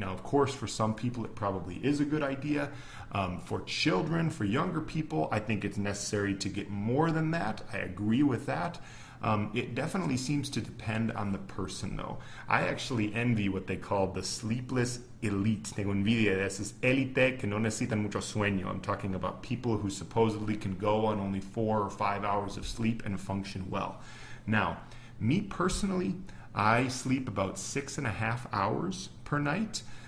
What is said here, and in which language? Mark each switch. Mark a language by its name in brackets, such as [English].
[English] Now, of course, for some people, it probably is a good idea. For children, for younger people, I think it's necessary to get more than that. I agree with that. It definitely seems to depend on the person, though. I actually envy what they call the sleepless elite. [Spanish] Tengo envidia de esas élite que no necesitan mucho sueño. [English] I'm talking about people who supposedly can go on only 4 or 5 hours of sleep and function well. Now, me personally, I sleep about 6.5 hours per night.